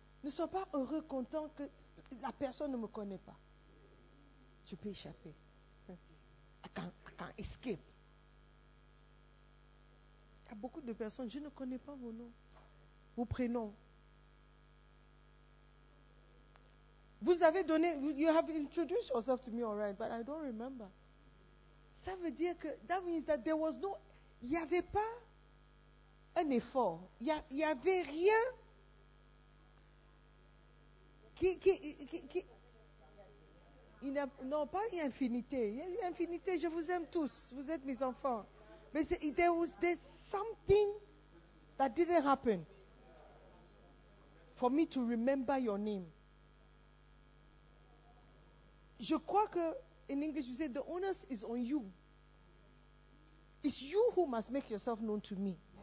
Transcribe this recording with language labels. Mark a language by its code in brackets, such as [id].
[fr] Ne sois pas heureux, content que la personne ne me connaît pas. Je peux échapper. [en] I can escape. [fr] Il y a beaucoup de personnes, je ne connais pas vos noms, vos prénoms. Vous avez donné, [en] you have introduced yourself to me, all right, but I don't remember. [fr] Ça veut dire que, [en] that means that there was no, [fr] il n'y avait pas un effort. Il n'y avait rien qui il n'y a, non, pas l'infinité. L'infinité, je vous aime tous. Vous êtes mes enfants. [en] Mais there was something that didn't happen for me to remember your name. [fr] Je crois que, [en] in English, you say, the onus is on you. It's you who must make yourself known to me.